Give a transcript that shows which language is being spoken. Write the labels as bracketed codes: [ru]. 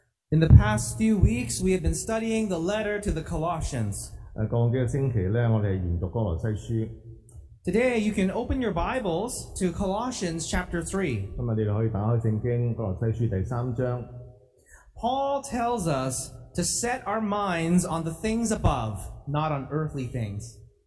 [en] In the past few weeks, we have been studying the letter to the Colossians. [zh] 过去几个星期我们研读哥罗西书。 [en] Today, you can open your Bibles to Colossians chapter 3. [zh] 今天你们可以打开圣经哥罗西书第三章。 [en] Paul tells us to set our minds on the things above, not on earthly things.